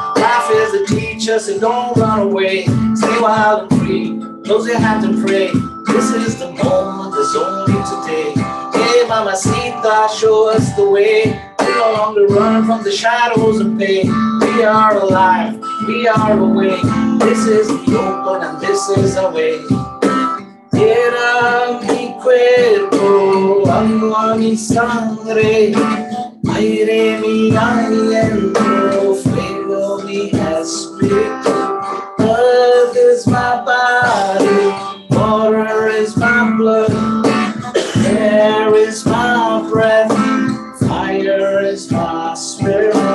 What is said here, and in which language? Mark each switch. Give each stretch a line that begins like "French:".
English: Life is a teacher, so don't run away. Stay wild and free, close your hands and pray. This is the moment, there's only today. Hey, mamacita, show us the way. We no longer run from the shadows of pain. We are alive, we are awake. This is the open and this is our way.
Spanish: Era mi cuerpo, agua mi sangre, aire mi aliento, fuego mi espíritu.
English: Earth is my body, water is my blood, air is my breath, fire is my spirit.